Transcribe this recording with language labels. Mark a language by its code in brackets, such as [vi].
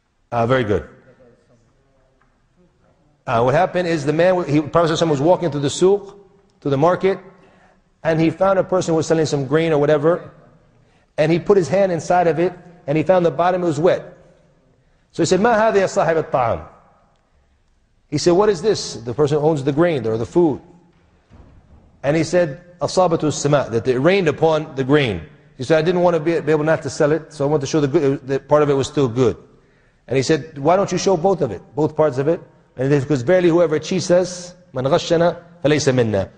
[en] Very good. What happened is the man, Prophet ﷺ was walking through the souq, through the market, and he found a person who was selling some grain or whatever, and he put his hand inside of it, and he found the bottom, it was wet. So he said, [ar] مَا هَذِيَ صَاحِبَ الطَّعَامِ. [en] He said, what is this? The person owns the grain or the food. And he said, [ar] أَصَابَتُ السَّمَاءِ, [en] that it rained upon the grain. He said, I didn't want to be able not to sell it, so I want to show the good, that part of it was still good. And he said, why don't you show both of it, both parts of it? And he said, because verily whoever cheats us, [ar] مَنْ غَشَّنَا فَلَيْسَ مِنَّا.